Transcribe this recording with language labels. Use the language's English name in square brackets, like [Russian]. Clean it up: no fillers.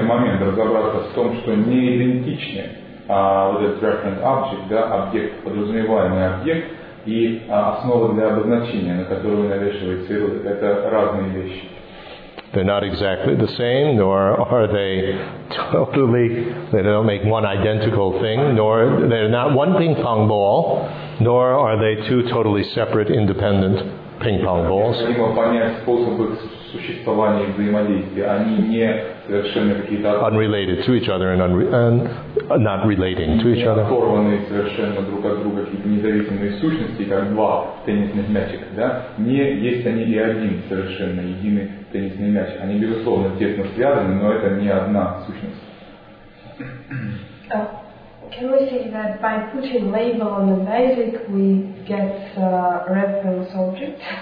[Russian] Это важный момент разобраться в том, что не идентичны вот этот referent object, да, объект, подразумеваемый объект, и основа для обозначения, на которую навешивается ярлык, это разные вещи. [English] They're not exactly the same, nor are they totally, they don't make one identical thing, nor they're not one ping pong ball, nor are they two totally separate independent ping pong balls. [Russian] Необходимо понять способ их существования и взаимодействия. Они не совершенно какие-то... [English] Unrelated to each other and not relating to each other. [Russian] Оторванные совершенно друг от друга какие-то независимые сущности, как два теннисных мячика, да? Не есть они и один совершенно единый теннисный мяч. Они, безусловно, тесно связаны, но это не одна сущность. [English] Can we say that by putting label on the basic, we get a reference object?